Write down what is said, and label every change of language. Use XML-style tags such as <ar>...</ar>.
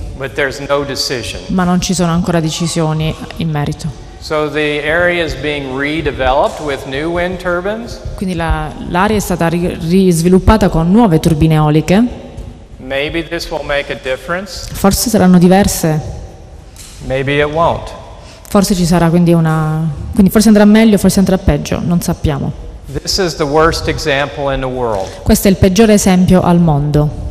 <en>But there's no decision.</en> <it>Ma non ci sono ancora decisioni in merito.</it> <en>So the area is being redeveloped with new wind turbines.</en> <it>Quindi l'area è stata risviluppata con nuove turbine eoliche.</it> <en>Maybe this will make a difference.</en> <it>Forse saranno diverse.</it> <en>Maybe it won't.</en> <it>Forse ci sarà quindi una. Quindi forse andrà meglio, forse andrà peggio, non sappiamo.</it> <en>This is the worst example in the world.</en> <it>Questo è il peggiore esempio al mondo.</it>